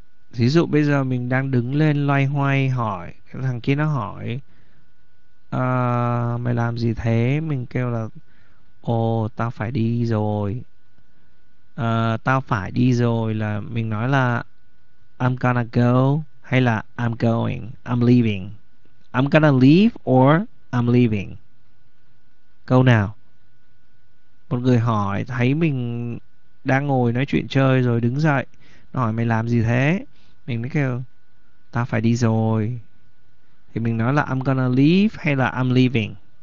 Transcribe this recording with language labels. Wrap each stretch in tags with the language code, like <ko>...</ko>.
<vi>Ví dụ bây giờ mình đang đứng lên loay hoay hỏi thằng kia, nó hỏi mày làm gì thế, mình kêu là ồ tao phải đi rồi. Tao phải đi rồi là mình nói là</vi> <en>I'm gonna go,</en> <vi>hay là</vi> <en>I'm going, I'm leaving. I'm gonna leave or I'm leaving.</en> <vi>Câu nào? Một người hỏi thấy mình đang ngồi nói chuyện chơi rồi đứng dậy, nó hỏi mày làm gì thế, mình mới kêu tao phải đi rồi, thì mình nói là</vi> <en>I'm gonna leave</en> <vi>hay là</vi> <en>I'm leaving.</en>